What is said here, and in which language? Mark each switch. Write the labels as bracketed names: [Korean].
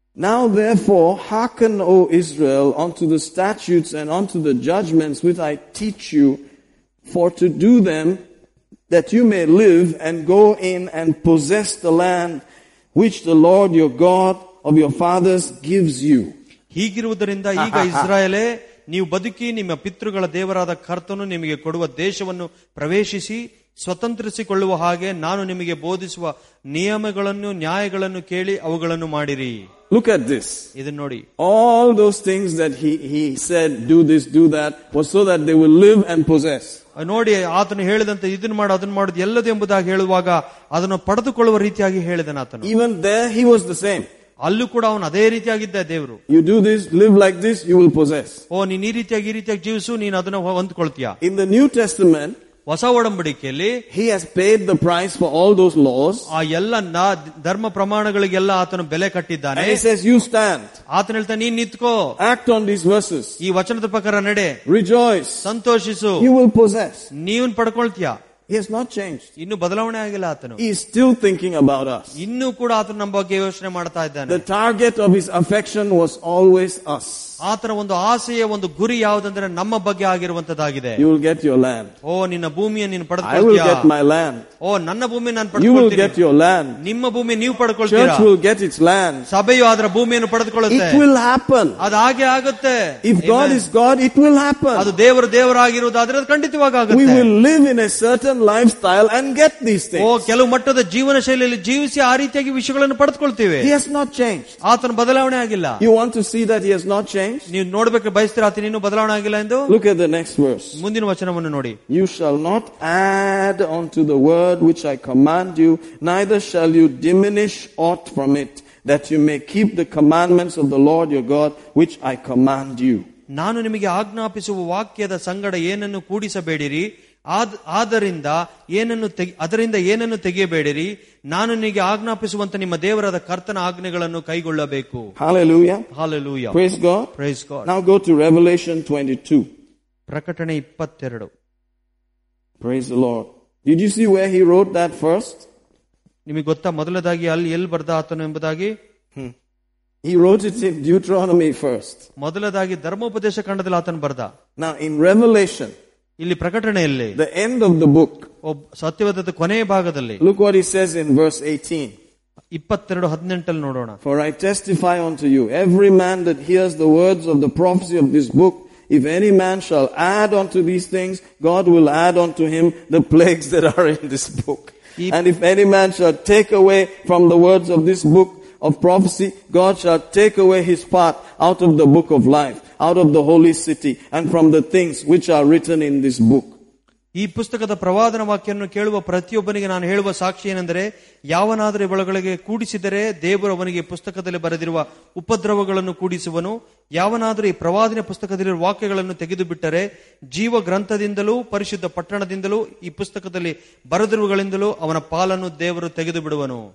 [English] Now therefore, hearken, O Israel, unto the statutes and unto the judgments which I teach you, for to do them, that you may live and go in and possess the land which the Lord your God of your fathers gives you. [Kannada] ಹೀಗಿರುವುದರಿಂದ ಈಗ ಇಸ್ರಾಯೇಲೇ ನೀವು ಬದುಕಿ ನಿಮ್ಮ ಪಿತೃಗಳ ದೇವರಾದ ಕರ್ತನು ನಿಮಗೆ ಕೊಡುವ ದೇಶವನ್ನು ಪ್ರವೇಶಿಸಿ ಸ್ವತಂತ್ರಿಸಿಕೊಳ್ಳುವ ಹಾಗೆ ನಾನು ನಿಮಗೆ ಬೋಧಿಸುವ ನಿಯಮಗಳನ್ನು ನ್ಯಾಯಗಳನ್ನು ಕೇಳಿ ಅವುಗಳನ್ನು ಮಾಡಿರಿ. [English] Look at this. [Kannada] ಇದನ್ನ ನೋಡಿ. [English] All those things that he said do this do that was so that they will live and possess. [Kannada] ನೋಡಿ ಆತನು ಹೇಳಿದಂತೆ ಇದನ್ನು ಮಾಡು ಅದನ್ನು ಮಾಡು ಎಲ್ಲದೆ ಎಂಬುದಾಗಿ ಹೇಳುವಾಗ ಅದನ್ನು ಪಡೆದುಕೊಳ್ಳುವ ರೀತಿಯಾಗಿ ಹೇಳಿದನು ಆತನು. [English] Even there he was the same. [Kannada] ಅಲ್ಲೂ ಕೂಡ ಅವನು ಅದೇ ರೀತಿಯಾಗಿದ್ದ ದೇವರು. [English] You do this live like this you will possess. [Kannada] ಓ ನೀನ್ ಈ ರೀತಿಯಾಗಿ ಜೀವಿಸು ನೀನು ಅದನ್ನ ಹೊಂದ್ಕೊಳ್ತೀಯ. [English] in the new testament [Kannada] ಹೊಸ ಒಡಂಬಡಿಕೆಯಲ್ಲಿ [English] He has paid the price for all those laws. [Kannada] ಆ ಎಲ್ಲ ಧರ್ಮ ಪ್ರಮಾಣಗಳಿಗೆಲ್ಲ ಆತನು ಬೆಲೆ ಕಟ್ಟಿದ್ದಾನೆ. [English] He says you stand. [Kannada] ಆತನ ಹೇಳ್ತಾನೆ ನೀನು ನಿಂತ್ಕೋ. [English] Act on these verses. [Kannada] ಈ ವಚನದ ಪ್ರಕಾರ ನಡೆ. [English] Rejoice. [Kannada] ಸಂತೋಷಿಸು. [English] You will possess. [Kannada] ನೀವನ್ನು ಪಡ್ಕೊಳ್ತೀಯ. [English] He has not changed. [Kannada] ಇನ್ನು ಬದಲಾವಣೆ ಆಗಿಲ್ಲ ಆತನು. [English] He is still thinking about us. [Kannada] ಇನ್ನು ಕೂಡ ಆತನು ನಮ್ಮ ಬಗ್ಗೆ ಯೋಚನೆ ಮಾಡ್ತಾ ಇದ್ದಾನೆ. [English] The target of his affection was always us. [Kannada] ಆತನ ಒಂದು ಆಸೆಯ ಒಂದು ಗುರಿ ಯಾವುದಂದ್ರೆ ನಮ್ಮ ಬಗ್ಗೆ ಆಗಿರುವಂತದ್ದಾಗಿದೆ. [English] You will get your land. [Kannada] ಓ ನಿನ್ನ ಭೂಮಿಯ ನೀನು ಪಡ್ಕೊಳ್ತೀಯ. [English] I will get my land. [Kannada] ಓ ನನ್ನ ಭೂಮಿ ನಾನು ಪಡ್ಕೊಳ್ತೀನಿ. [English] You will get your land. [Kannada] ನಿಮ್ಮ ಭೂಮಿ ನೀವು ಪಡ್ಕೊಳ್ತೀರಾ. [English] Church will get its land. [Kannada] ಸಭೆಯು ಅದರ ಭೂಮಿಯನ್ನು ಪಡೆದುಕೊಳ್ಳುತ್ತೆ. [English] It will happen. [Kannada] ಅದು ಹಾಗೆ ಆಗುತ್ತೆ. [English] If God is God, it will happen. [Kannada] ಅದು ದೇವರು ದೇವರಾಗಿರುವುದಾದ್ರೆ ಅದು ಖಂಡಿತವಾಗಿ ಆಗುತ್ತೆ. [English] We will live in a certain lifestyle and get these things. [Kannada] ಓ ಕೆಲವು ಮಟ್ಟದ ಜೀವನ ಶೈಲಿಯಲ್ಲಿ ಜೀವಿಸಿ ಆ ರೀತಿಯಾಗಿ ವಿಷಯಗಳನ್ನು ಪಡೆದುಕೊಳ್ತೀವಿ. [English] He has not changed. [Kannada] ಆತನ ಬದಲಾವಣೆ ಆಗಿಲ್ಲ. [English] You want to see that he has not changed? [Kannada] ನೀವು ನೋಡಬೇಕು ಬಯಸ್ತೀರಾ ಆತ ಇನ್ನೂ ಬದಲಾವಣೆ ಆಗಿಲ್ಲ ಎಂದು. [English] Look at the next verse. [Kannada] ಮುಂದಿನ ವಚನವನ್ನು ನೋಡಿ. [English] You shall not add unto the word which I command you neither shall you diminish ought from it that you may keep the commandments of the Lord your God which I command you. [Kannada] ನಾನು ನಿಮಗೆ ಆಜ್ಞಾಪಿಸುವ ವಾಕ್ಯದ ಸಂಗಡ ಏನನ್ನು ಕೂಡಿಸಬೇಡಿರಿ ಅದರಿಂದ ಏನನ್ನು ತೆಗೆಯಬೇಡಿರಿ. ನಾನು ನಿಮಗೆ ಆಜ್ಞಾಪಿಸುವಂತ ನಿಮ್ಮ ದೇವರಾದ ಕರ್ತನ ಆಜ್ಞೆಗಳನ್ನು ಕೈಗೊಳ್ಳಬೇಕು. [English] Hallelujah. Hallelujah. Praise God. Praise God. Now go to Revelation 22. [Kannada] ಪ್ರಕಟಣೆ 22. [English] Praise the Lord. Did you see where he wrote that first? [Kannada] ನಿಮಗೆ ಗೊತ್ತಾ ಮೊದಲದಾಗಿ ಅಲ್ಲಿ ಎಲ್ಲಿ ಬರೆದ ಆತನು ಎಂಬುದಾಗಿ? [English] He wrote it in Deuteronomy first. [Kannada] ಮೊದಲದಾಗಿ ಧರ್ಮೋಪದೇಶ ಕಾಂಡದಲ್ಲಿ ಆತನು ಬರೆದ. [English] Now in Revelation. [Kannada] ಇಲ್ಲಿ ಪ್ರಕಟಣೆಯಲ್ಲಿ [English] the end of the book [Kannada] ಸತ್ಯವಾದ ಕೊನೆಯ ಭಾಗದಲ್ಲಿ [English] look what he says in verse 18 [Kannada] 22 18 ನೋಡೋಣ. [English] For I testify unto you every man that hears the words of the prophecy of this book If any man shall add unto these things, God will add unto him the plagues that are in this book. And if any man shall take away from the words of this book of prophecy, God shall take away his part out of the book of life, out of the holy city, and from the things which are written in this book. [Kannada] ಈ ಪುಸ್ತಕದ ಪ್ರವಾದನ ವಾಕ್ಯವನ್ನು ಕೇಳುವ ಪ್ರತಿಯೊಬ್ಬನಿಗೆ ನಾನು ಹೇಳುವ ಸಾಕ್ಷಿ ಏನೆಂದರೆ, ಯಾವನಾದರೂ ಇವಳೊಳಗೆ ಕೂಡಿಸಿದರೆ ದೇವರು ಅವನಿಗೆ ಪುಸ್ತಕದಲ್ಲಿ ಬರೆದಿರುವ ಉಪದ್ರವಗಳನ್ನು ಕೂಡಿಸುವನು. ಯಾವನಾದರೂ ಈ ಪ್ರವಾದನ ಪುಸ್ತಕದಲ್ಲಿರುವ ವಾಕ್ಯಗಳನ್ನು ತೆಗೆದು ಬಿಟ್ಟರೆ ಜೀವ ಗ್ರಂಥದಿಂದಲೂ ಪರಿಶುದ್ಧ ಪಟ್ಟಣದಿಂದಲೂ ಈ ಪುಸ್ತಕದಲ್ಲಿ ಬರೆದಿರುವಗಳಿಂದಲೂ ಅವನ ಪಾಲನ್ನು ದೇವರು ತೆಗೆದು ಬಿಡುವನು.